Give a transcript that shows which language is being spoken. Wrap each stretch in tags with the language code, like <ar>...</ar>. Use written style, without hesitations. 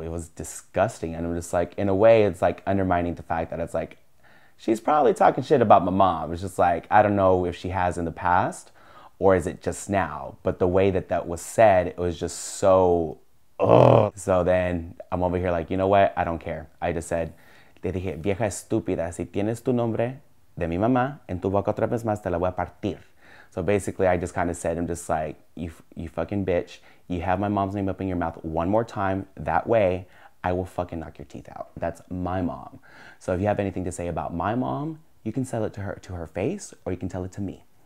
<en>It was disgusting. And I'm just like, in a way, it's like undermining the fact that it's like, she's probably talking shit about my mom. It's just like, I don't know if she has in the past or is it just now? But the way that was said, it was just so... Ugh. So then I'm over here like, you know what? I don't care. I just said,</en> <es>te dije, vieja estúpida, si tienes tu nombre de mi mamá en tu boca otra vez más, te la voy a partir.</es> <en>So basically, I just kind of said, I'm just like, you fucking bitch, you have my mom's name up in your mouth one more time. That way, I will fucking knock your teeth out. That's my mom. So if you have anything to say about my mom, you can sell it to her face, or you can tell it to me.</en>